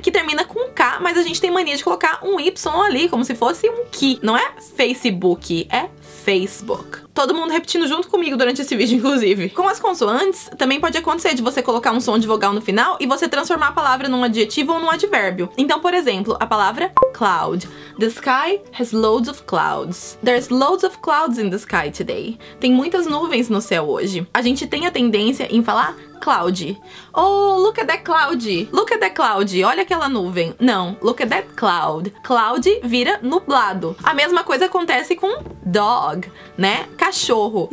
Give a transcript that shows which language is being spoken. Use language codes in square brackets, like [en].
[pt] Que termina com K, mas a gente tem mania de colocar um Y ali, como se fosse um Q. Não é Facebook, é Facebook. Todo mundo repetindo junto comigo durante esse vídeo, inclusive. Com as consoantes, também pode acontecer de você colocar um som de vogal no final e você transformar a palavra num adjetivo ou num advérbio. Então, por exemplo, a palavra cloud. [en] The sky has loads of clouds. There's loads of clouds in the sky today. [pt] Tem muitas nuvens no céu hoje. A gente tem a tendência em falar cloud. [en] Oh, look at that cloud. Look at that cloud. [pt] Olha aquela nuvem. Não, [en] look at that cloud. Cloud [pt] vira nublado. A mesma coisa acontece com dog, né? Cachorro.